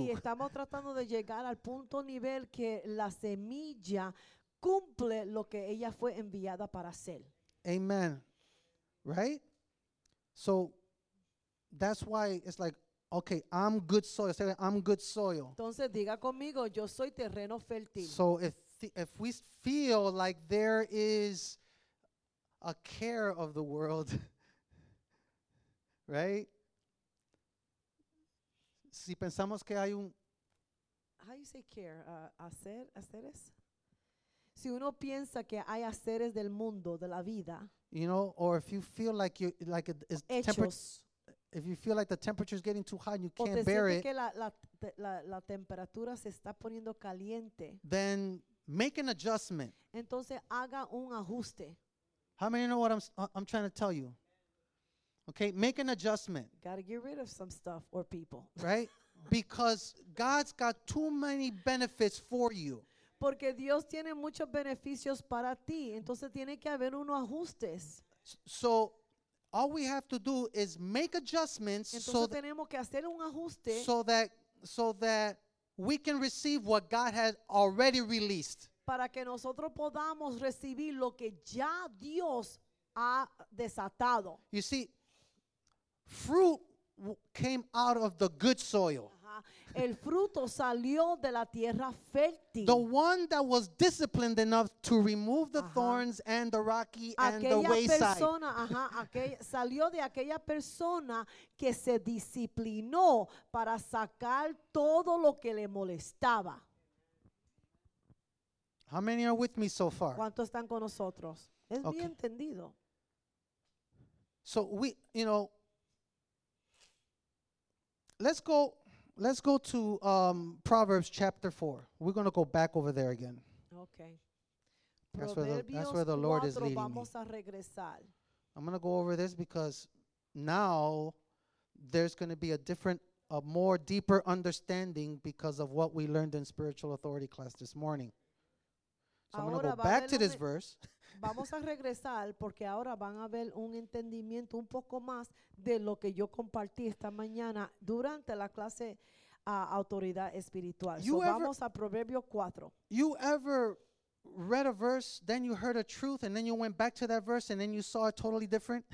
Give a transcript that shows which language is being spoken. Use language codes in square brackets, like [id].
[es] Y estamos tratando de llegar al punto nivel que la semilla cumple lo que ella fue enviada para hacer. [en] Amen. Right? So that's why it's like, okay, I'm good soil. Say, I'm good soil. [es] Entonces diga conmigo, yo soy terreno fértil. [en] So if we feel like there is a care of the world, right? [es] Si pensamos que hay un, [en] how you say care, haceres. [es] Si uno piensa que hay haceres del mundo, de la vida. [en] You know, or if you feel like you like it's if you feel like the temperature is getting too high and you can't bear it. [es] Que la temperatura se está poniendo caliente. [en] Then make an adjustment. [es] Entonces haga un ajuste. [en] How many know what I'm trying to tell you? Okay, make an adjustment. Got to get rid of some stuff or people. Right? Because God's got too many benefits for you. [es] Porque Dios tiene muchos beneficios para ti. Entonces tiene que haber unos ajustes. [en] So all we have to do is make adjustments. [es] Entonces [en] so [es] tenemos que hacer un ajuste. [en] So that we can receive what God has already released. [es] Para que nosotros podamos recibir lo que ya Dios ha desatado. [en] You see, fruit came out of the good soil. [es] El fruto salió de la tierra fértil. [en] The one that was disciplined enough to remove the thorns and the rocky and the wayside. [es] Salió de aquella persona que se disciplinó para sacar todo lo que le molestaba. [en] How many are with me so far? [es] ¿Cuántos están con nosotros? Es bien entendido. [en] So we, you know, Let's go to Proverbs chapter 4. We're going to go back over there again. Okay. That's where the Lord is leading [es] vamos [en] me. [es] A regresar. [en] I'm going to go over this because now there's going to be a deeper understanding because of what we learned in spiritual authority class this morning. So [es] ahora [en] I'm going to go back to this verse. [es] Vamos a regresar porque ahora van a ver un entendimiento un poco más de lo que yo compartí esta mañana durante la clase autoridad espiritual. [en] You [es] vamos a Proverbio 4. [en] You ever read a verse, then you heard a truth, and then you went back to that verse, and then you saw it totally different?